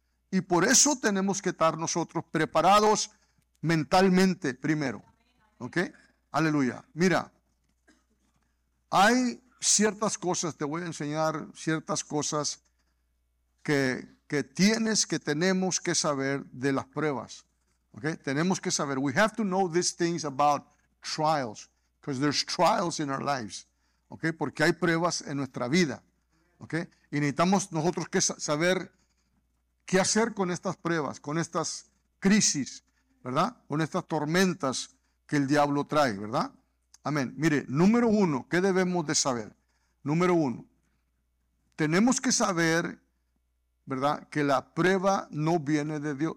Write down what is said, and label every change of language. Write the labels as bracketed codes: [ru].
[es] Y por eso tenemos que estar nosotros preparados mentalmente primero. ¿Ok? Aleluya. Mira, hay ciertas cosas, te voy a enseñar ciertas cosas que tienes, que tenemos que saber de las pruebas. ¿Ok? Tenemos que saber. [en] We have to know these things about trials, because there's trials in our lives. [es] ¿Ok? Porque hay pruebas en nuestra vida. ¿Ok? Y necesitamos nosotros que saber qué hacer con estas pruebas, con estas crisis, ¿verdad? Con estas tormentas que el diablo trae, ¿verdad? Amén. Mire, número uno, ¿qué debemos de saber? Número uno, tenemos que saber, ¿verdad?, que la prueba no viene de Dios.